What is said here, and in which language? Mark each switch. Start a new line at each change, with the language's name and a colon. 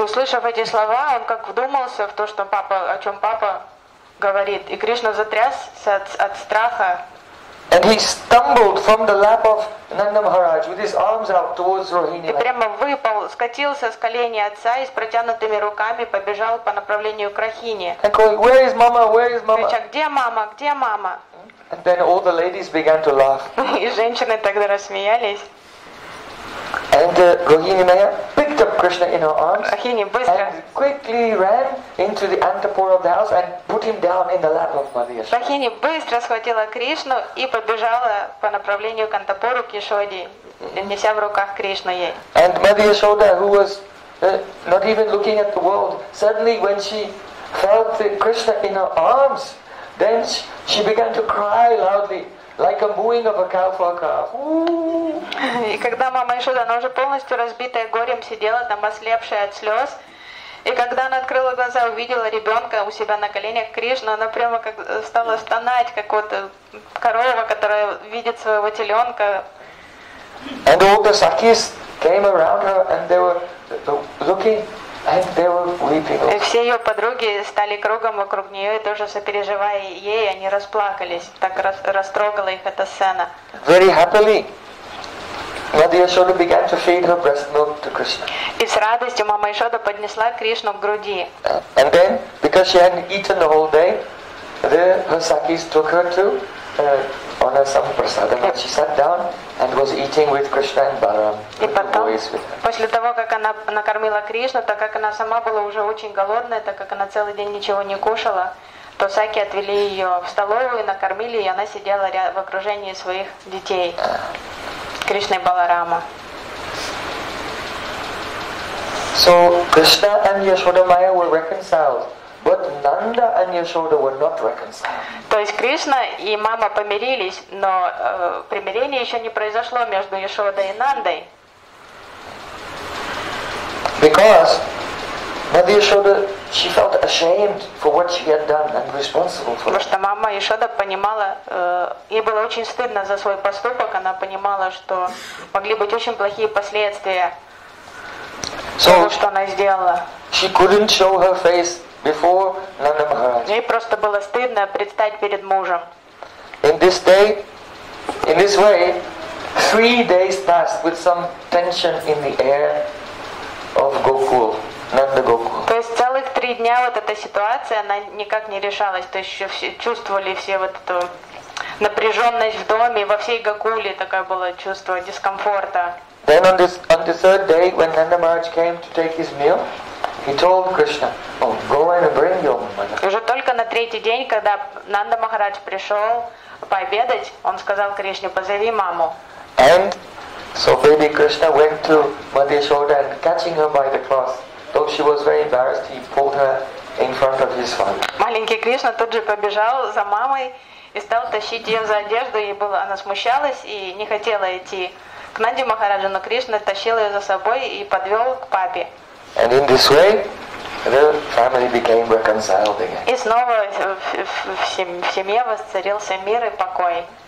Russian: услышав эти слова, он как вдумался в то, что папа, о чем папа говорит. И Кришна затрясся от страха.
English: And he stumbled from the lap of Nanda Maharaj with his arms out towards Rohini.
Russian: И прямо выпал, скатился с коленей отца и с протянутыми руками побежал по направлению к Рахини.
English: And going, where is mama? Where is mama?
Russian: Крича, где мама? Где мама?
English: And then all the ladies began to laugh.
Russian: И женщины тогда рассмеялись.
English: And Rohini Maya picked up Krishna in her arms and quickly ran into the antapura of the house and put him down in the lap of Mother Yashoda.
Russian: Rohini быстро схватила Кришну и побежала по направлению к антапуру к Яшоде, неся в руках Кришну ей.
English: And Mother Yashoda, who was not even looking at the world, suddenly when she felt Krishna in her arms, then she began to cry loudly. Like a mooing of a cow for a calf.
Russian: И когда мама Яшода, она уже полностью разбитая горем сидела там, ослепшая от слез, и когда она открыла глаза, увидела ребенка у себя на коленях Кришну, она прямо как стала стонать, как вот корова, которая видит своего теленка.
English: And all the sakis came around her and they were looking. And they were weeping.
Russian: Все ее подруги стали кругом вокруг нее и тоже сопереживая ей, они расплакались. Так растрогала их эта сцена.
English: Very happily, Mother Yashoda began to feed her breast milk to Krishna.
Russian: И с радостью мама Яшода поднесла Кришну к груди.
English: And then, because she hadn't eaten the whole day, the her sakis took her to on a samprasada, and she sat down and was eating with Krishna and Balaram.
Russian: И потом, после того как она накормила Кришну, так как она сама была уже очень голодная, так как она целый день ничего не кушала, то саки отвели ее в столовую и накормили, и она сидела в окружении своих детей Кришны и Баларама.
English: So Krishna and Yashoda Maya were reconciled. But Nanda and Yashoda were not reconciled.
Russian: То есть Кришна и мама помирились, но примирение еще не произошло между Яшодой и Нандой.
English: Because Mother Yashoda, she felt ashamed for what she had done and responsible for.
Russian: Потому что мама Яшода понимала, ей было очень стыдно за свой поступок. Она понимала, что могли быть очень плохие последствия того, что она сделала.
English: She couldn't show her face. Before Nanda Maharaj.
Russian: Ей просто было стыдно предстать перед мужем.
English: In this way, 3 days passed with some tension in the air of Gokul, Nanda Gokul.
Russian: То есть целых 3 дня вот эта ситуация, она никак не решалась. То есть еще все чувствовали все вот эту напряженность в доме, во всей Гокуле такое было чувство дискомфорта.
English: Then on the third day, when Nanda Maharaj came to take his meal, he told Krishna, "Oh, go and bring your mother."
Russian: Уже только на третий день, когда Нанда Махарадж пришел пообедать, он сказал Кришне, "Позови маму."
English: And so baby Krishna went to Mother Yashoda and catching her by the cloth, though she was very embarrassed, he pulled her in front of his father.
Russian: Маленький Кришна тут же побежал за мамой и стал тащить ее за одежду. Ей было, она смущалась и не хотела идти к Нанде Махараджу, но Кришна тащил ее за собой и подвел к папе.
English: And in this way, the family became reconciled again.
Russian: И снова в семье воцарился мир и покой.